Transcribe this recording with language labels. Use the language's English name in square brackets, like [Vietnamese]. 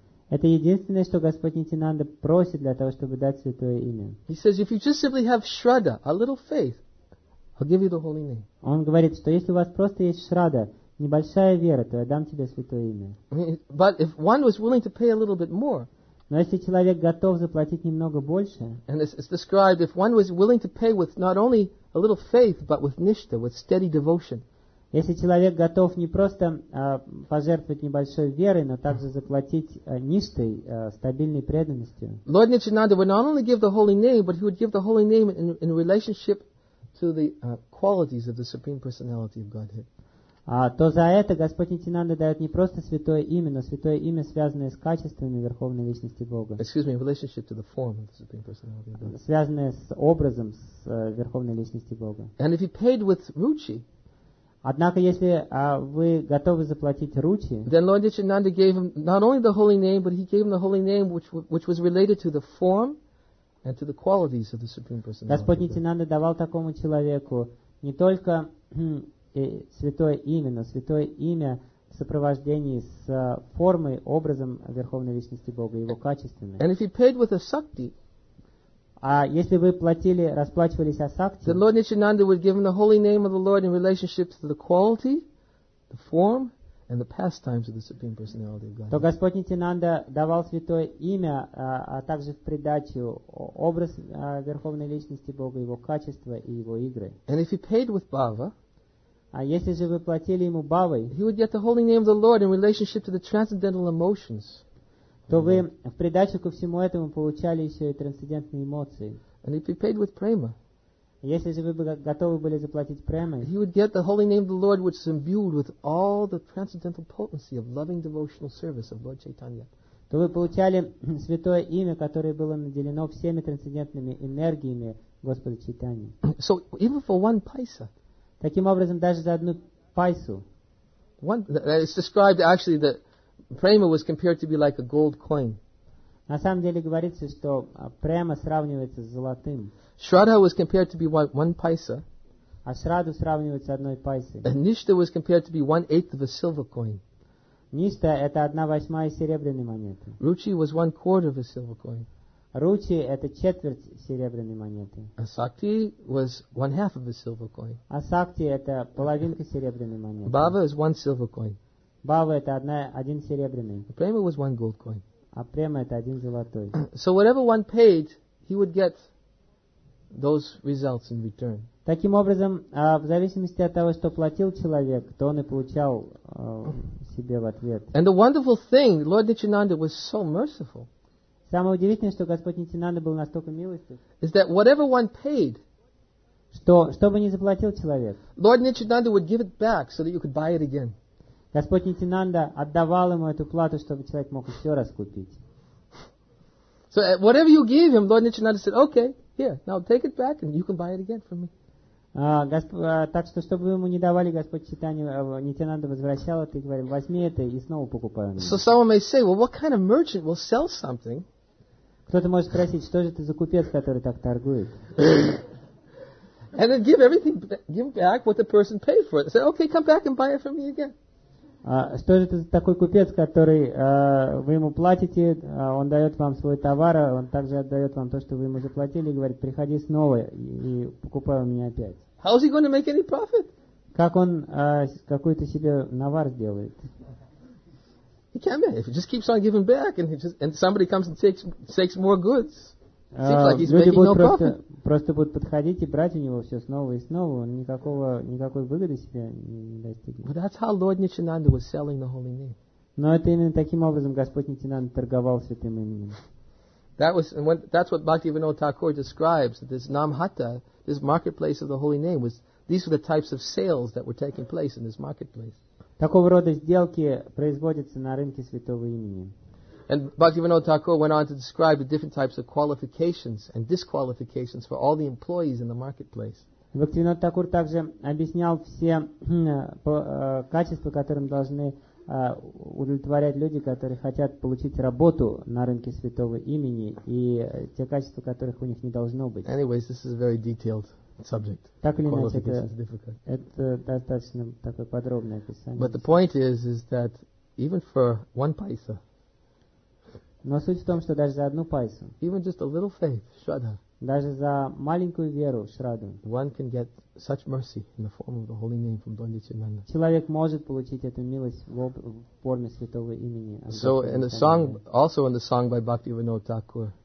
[Russian] Это единственное, что Господь Нитьянанда просит для того, чтобы дать святое имя. [English] He says, if you just simply have shraddha, a little faith. I'll give you the holy name. [Russian] Он говорит, что если у вас просто есть шрада, небольшая вера, то я дам тебе святое имя. [English] But if one was willing to pay a little bit more. [Russian] Но если человек готов заплатить немного больше. [English] And it's described if one was willing to pay with not only a little faith, but with nishtha, with steady devotion. [Russian] Если человек готов не просто пожертвовать небольшой верой, но также заплатить ништой, стабильной преданностью. [English] Lord Nityananda would not only give the holy name, but he would give the holy name in relationship to the qualities of the Supreme Personality of Godhead. [Russian] То за это Господь Нитьянанда дает не просто святое имя, но святое имя, связанное с качествами Верховной Личности Бога. [English] Excuse me, in relationship to the form of the Supreme Personality of Godhead. [Russian] Связанное с образом с Верховной Личности Бога. [English] And if he paid with ruchi, [Russian] однако если вы готовы заплатить ruchi, [English] then Lord Nityananda gave him not only the holy name, but he gave him the holy name which was related to the form and to the qualities of the Supreme Personality. [Russian] Господь Нитьянанда давал такому человеку не только святое имя, но святое имя в сопровождении с формой, образом Верховной Личности Бога, Его качествами. [English] And if you paid with a sakti, [Russian] а если вы платили, расплачивались асакти, [English] then Lord Nityananda would give him the holy name of the Lord in relationship to the quality, the form, and the pastimes of the Supreme Personality of Godhead. [Russian] То Господь Нитинанда давал святое имя, а также в придачу образ Верховной Личности Бога, Его качества и Его игры. [English] And if he paid with bhava, [Russian] а если же вы платили ему бхавой, [English] he would get the holy name of the Lord in relationship to the transcendental emotions. [Russian] То вы в придачу ко всему этому получали еще и трансцендентные эмоции. [English] And if he paid with prema, [Russian] если же вы бы готовы были заплатить премой, [English] he would get the holy name of the Lord, which is imbued with all the transcendental potency of loving devotional service of Lord Chaitanya. [Russian] То вы получали святое имя, которое было наделено всеми трансцендентными энергиями Господа Чайтаньи. [English] So even for one paisa, [Russian] таким образом даже за одну пайсу, [English] it's described actually that prema was compared to be like a gold coin. [Russian] На самом деле говорится, что према сравнивается с золотым. [English] Shraddha was compared to be one paisa. [Russian] А шрадду сравнивается одной пайсой. [English] And nishtha was compared to be 1/8 of a silver coin. [Russian] Ништа — это 1/8 серебряной монеты. [English] Ruchi was 1/4 of a silver coin. [Russian] Ruchi — это четверть серебряной монеты. [English] Asakti was 1/2 of a silver coin. [Russian] Asakti — это половинка серебряной монеты. [English] Bhava is 1 silver coin. [Russian] Bhava — это 1 серебряный. [English] Prema was 1 gold coin. [Russian] А према — это 1 золотой. [English] So whatever one paid, he would get those results in return. [Russian] Таким образом, в зависимости от того, что платил человек, то он и получал себе в ответ. [English] And the wonderful thing, Lord Nityananda was so merciful. [Russian] Самое удивительное, что Господь Нитинанда был настолько милостив. [English] Is that whatever one paid, [Russian] что бы ни заплатил человек, [English] Lord Nityananda would give it back so that you could buy it again. [Russian] Господь Нитинанда отдавал ему эту плату, чтобы человек мог еще раз купить. [English] So whatever you gave him, Lord Nityananda said, okay, here, now take it back and you can buy it again from me. [Russian] Так что, чтобы вы ему не давали, Господь Читания, Нитинанда возвращал это и говорил, возьми это и снова покупай. [English] So someone may say, well, what kind of merchant will sell something? [Russian] Кто-то может спросить, что же это за купец, который так торгует? [English] And then give everything, give back what the person paid for it. Say, okay, come back and buy it from me again. [Russian] Что же это за такой купец, который вы ему платите, он дает вам свой товар, он также отдает вам то, что вы ему заплатили, и говорит, приходи снова и покупай у меня опять. [English] How is he going to make any profit? [Russian] Как он какой-то себе навар сделает? [English] He can't be. If he just keeps on giving back and somebody comes and takes more goods, seems like he's making no profit. [Russian] Просто будут подходить и брать у него все снова и снова. Он никакой выгоды себе не достигнет. [English] But that's how Lord Nityananda was selling the holy name. [Russian] Но это именно таким образом Господь Нитинанда торговал святым именем. [English] That's what Bhaktivinoda Thakur describes, that this Namhatta, this marketplace of the holy name, was these were the types of sales that were taking place in this marketplace. [Russian] Такого рода сделки производятся на рынке святого имени. [English] And Bhaktivinoda Thakur went on to describe the different types of qualifications and disqualifications for all the employees in the marketplace. [Russian] Bhaktivinoda Thakur также объяснял все качества, которым должны удовлетворять люди, которые хотят получить работу на рынке святого имени, и те качества, которых у них не должно быть. [English] Anyways, this is a very detailed subject. [Russian] Так или иначе, это достаточно такое подробное описание. [English] But the point is that even for one paisa, [Russian] но суть в том, что даже за одну пайсу, [English] even just a little faith, shraddha, [Russian] даже за маленькую веру, шрадду, [English] one can get such mercy in the form of the holy name from Lord Nityananda. [Russian] Человек может получить эту милость в форме святого имени. [English] So in the song, also in the song by Bhaktivinoda Thakur,